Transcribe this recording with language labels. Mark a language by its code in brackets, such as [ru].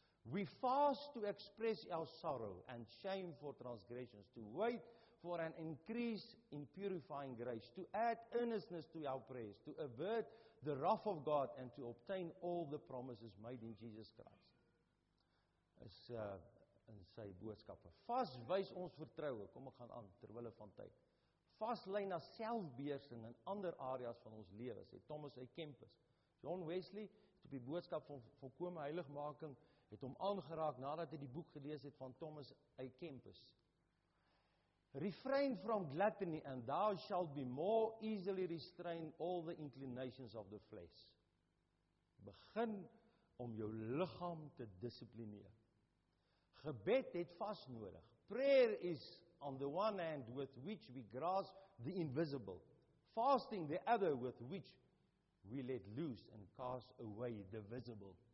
[en] We fast to express our sorrow and shame for transgressions, to wait for an increase in purifying grace, to add earnestness to our prayers, to avert the wrath of God and to obtain all the promises made in Jesus Christ. [af] Is in sy boodskappe. Vas wys ons vertroue. Kom ek gaan aan terwille van tyd. Vas lei na selfbeheersing in ander areas van ons lewe, sê Thomas A. Kempis. John Wesley het op die boodskap van volkome heiligmaking het hom aangeraak nadat hy die boek gelees het van Thomas A. Kempis. [en] Refrain from gluttony and thou shalt be more easily restrain all the inclinations of the flesh. [af] Begin om jou liggaam te dissiplineer. Gebed het vas nodig. [en] Prayer is on the one hand with which we grasp the invisible, fasting the other with which we let loose and cast away the visible.